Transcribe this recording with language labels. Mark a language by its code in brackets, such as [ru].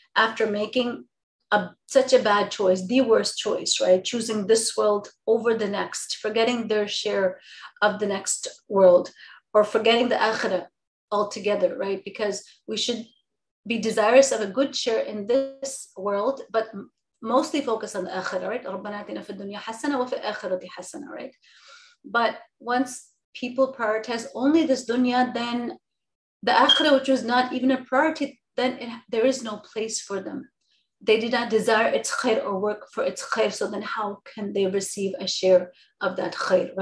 [en] After making such a bad choice, the worst choice, right? Choosing this world over the next, forgetting their share of the next world, or forgetting the akhirah altogether, right? Because we should be desirous of a good share in this world, but mostly focus on the akhirah, right? [ar] رَبَّنَا أَتِنَا فِي الدُّنْيَا حَسَنَةً وَفِي الْآخِرَةِ حَسَنَةً, right? [en] But once people prioritize only this dunya, then the akhirah, which was not even a priority, then there is no place for them. They did not desire its khair or work for its khair, so then how can they receive a share of that khair?